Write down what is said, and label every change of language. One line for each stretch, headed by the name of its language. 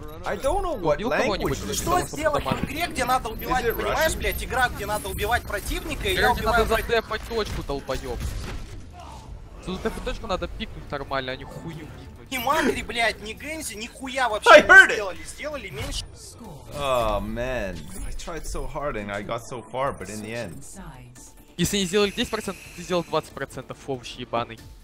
English: I don't know what language.
Russian: Что сделать в игре, где надо убивать, понимаешь, блядь? Игра, где надо убивать противника, и я убиваю... Надо задепать точку, долбоёб. Задепать точку надо пикнуть нормально, а не хуйню пикнуть. Ни Мандри, блядь, ни Гэнзи, ни хуя вообще не сделали. Сделали меньше.
English: Oh, man. I tried so hard and I got so far, but in the end...
Russian: Если не сделали 10%, ты сделал 20%, овощи ебаный.